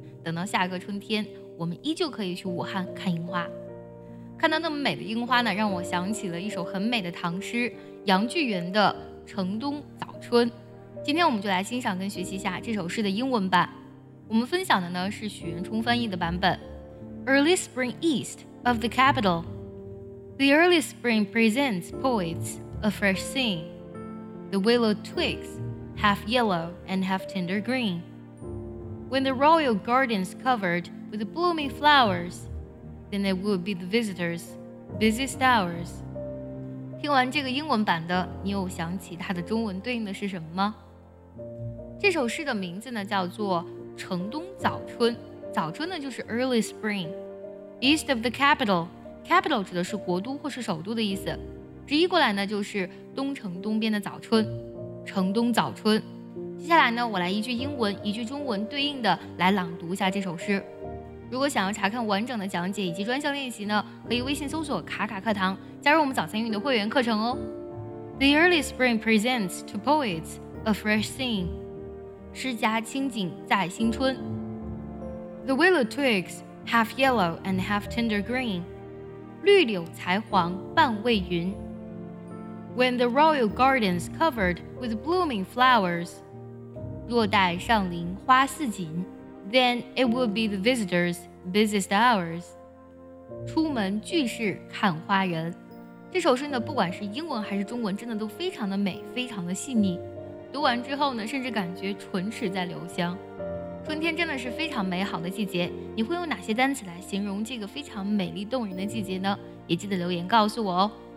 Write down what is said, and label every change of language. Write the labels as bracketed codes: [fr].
[zh] 等到下个春天，我们依旧可以去武汉看樱花。看到那么美的樱花呢，让我想起了一首很美的唐诗，杨巨源的《城东早春》。今天我们就来欣赏跟学习一下这首诗的英文版。我们分享的呢是许元冲翻译的版本。 [en] Early spring east of the capital. The early spring presents poets a fresh scene. The willow twigs, half yellow and half tender green. When the royal gardens covered with blooming flowers,then it would be the visitor's busiest hours. [zh] 听完这个英文版的，你有想起它的中文对应的是什么吗？这首诗的名字呢叫做《城东早春》，早春呢就是 [en] early spring. East of the capital, [zh] capital 指的是国都或是首都的意思，直译过来呢就是东城东边的早春，城东早春。接下来呢，我来一句英文，一句中文对应的来朗读一下这首诗。如果想要查看完整的讲解以及专项练习呢，可以微信搜索卡卡课堂，加入我们早餐英语的会员课程哦。 [en] The early spring presents to poets a fresh scene. [zh] 诗家清景在新春。 [en] The willow twigs, half yellow and half tender green. [zh] 绿柳才黄半未匀。 [en] When the royal gardens covered with blooming flowers. [zh] 若待上林花似锦。 [en] Then it would be the visitor's busiest hours. [zh] 出门俱是看花人。这首诗呢，不管是英文还是中文，真的都非常的美，非常的细腻。读完之后呢，甚至感觉唇齿在留香。春天真的是非常美好的季节，你会用哪些单词来形容这个非常美丽动人的季节呢？也记得留言告诉我哦。